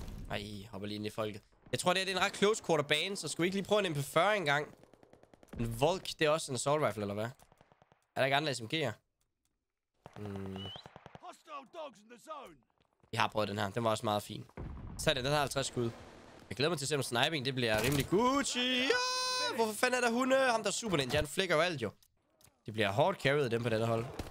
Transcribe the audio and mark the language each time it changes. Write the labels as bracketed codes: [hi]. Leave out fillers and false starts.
[da] Ej, hopper lige ind i folket. Jeg tror, det er en ret close quarter bane, så skulle vi ikke lige prøve en MP40 engang? En Volk, det er også en assault rifle, eller hvad? Er der ikke andre SMG'er? [en] Hostile dogs in the zone. [da] Jeg har prøvet den her. Den var også meget fin. Så den har 50 skud. Jeg glæder mig til at se, om sniping det bliver rimelig Gucci. Ja! Hvorfor fanden er der hunde? Ham der super ninja, han flikker jo alt jo. Det bliver hårdt carried dem på den hold.